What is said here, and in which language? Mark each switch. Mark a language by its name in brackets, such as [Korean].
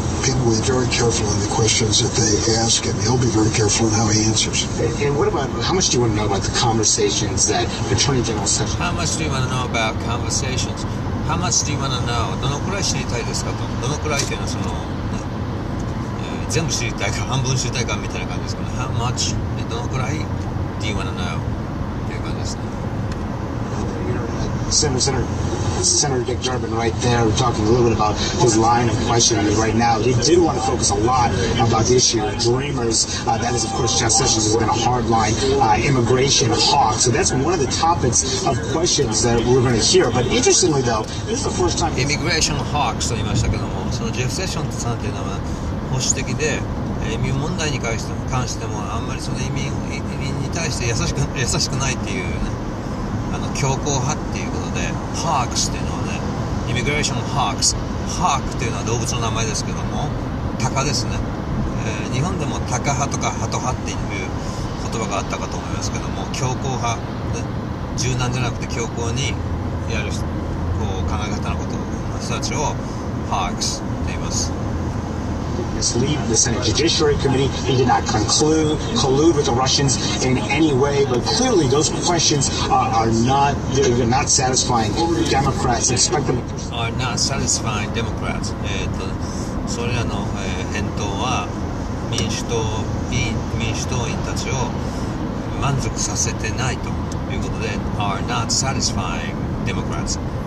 [English] People will be very careful in the questions that they ask him. He'll be very careful in how he answers. And what about, how much do you want to know about the conversations that Attorney General Sessions... How much do you want to know about conversations? How much do you want to know? [Japanese] どのくらい知りたいですかと。どのくらいというのはその、全部知りたいか、半分知りたいかみたいな感じですかね。 [English] How much? [Japanese] どのくらい [English] do you want to know? [Japanese] という感じですね。 [English] Senator Dick Durbin right there talking a little bit about his line of questioning right now. He did want to focus a lot about the issue of Dreamers. That is, of course, Jeff Sessions has been a hardline immigration hawk. So that's one of the topics of questions that we're going to hear. But interestingly, though, this is the first time... Immigration hawk, [Japanese] と言いましたけども、そのジェフ・セッションさんというのは保守的で、移民問題に関してもあんまりその移民に対して優しくないっていうね。あの強硬派っていうことで、ハークスっていうのはね、イミグレーションハークス、ハークっていうのは動物の名前ですけども、タカですね。日本でもタカ派とかハト派っていう言葉があったかと思いますけども、強硬派、ね、柔軟じゃなくて強硬にやるこう考え方のことの人たちをハークスって言います。 [English] Mislead the Senate Judiciary Committee. He did not collude with the Russians in any way, but clearly those questions are not satisfying Democrats. Expect them are not satisfying Democrats. [Japanese] それらの返答は民主党員たちを満足させてないということで、are not satisfying Democrats.